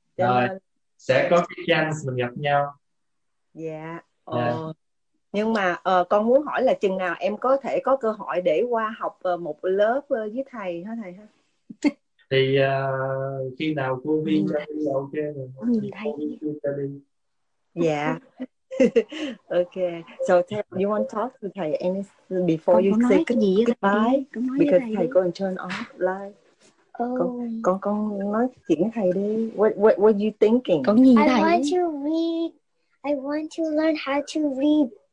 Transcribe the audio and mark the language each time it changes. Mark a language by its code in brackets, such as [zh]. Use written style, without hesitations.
[vi] Rồi sẽ có cái chance mình gặp nhau. Dạ. Yeah. Nhưng mà con muốn hỏi là chừng nào em có thể có cơ hội để qua học một lớp với thầy hả thầy ha? Thì khi nào cô Vi cho đi là ok rồi. Thầy cô cho đi. Dạ. Ok. [en] So you want to talk to thầy before [vi] con [en] you say goodbye? [vi] Thầy. [en] Because [vi] thầy. [en] Thầy go and turn off light. [vi] Con nói chuyện với thầy đi. [en] What you thinking? [vi] Con nhìn thầy. [en] I want to learn how to read.